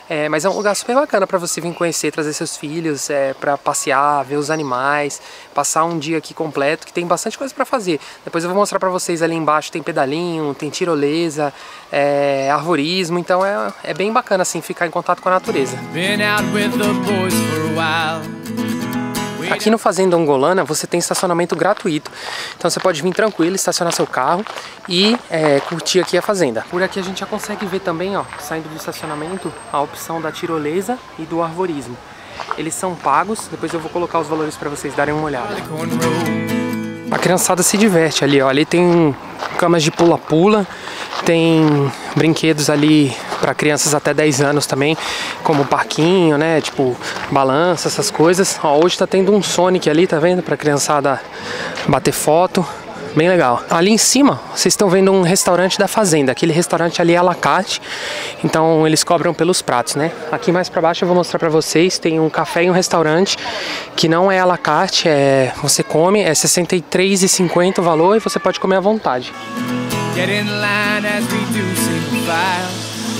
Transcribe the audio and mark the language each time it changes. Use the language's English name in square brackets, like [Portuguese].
[Portuguese] Mas é um lugar super bacana para você vir conhecer, trazer seus filhos, para passear, ver os animais, passar um dia aqui completo, que tem bastante coisa para fazer. Depois eu vou mostrar para vocês ali embaixo, tem pedalinho, tem tirolesa, arvorismo, então é bem bacana assim ficar em contato com a natureza. [English] Been out with the boys for a while. [Portuguese] Aqui no Fazenda Angolana você tem estacionamento gratuito, então você pode vir tranquilo, estacionar seu carro e curtir aqui a fazenda. Por aqui a gente já consegue ver também, ó, saindo do estacionamento, a opção da tirolesa e do arvorismo. Eles são pagos, depois eu vou colocar os valores para vocês darem uma olhada. A criançada se diverte ali, ó. Ali tem camas de pula-pula, tem brinquedos ali para crianças até 10 anos também, como parquinho, né, tipo balança, essas coisas. Ó, hoje tá tendo um Sonic ali, tá vendo? Pra criançada bater foto, bem legal. Ali em cima, vocês estão vendo um restaurante da fazenda, aquele restaurante ali é à la carte, então eles cobram pelos pratos, né? Aqui mais pra baixo eu vou mostrar pra vocês, tem um café e um restaurante que não é à la carte, você come, é R$63,50 o valor e você pode comer à vontade. [English] Get in line as we do sing file.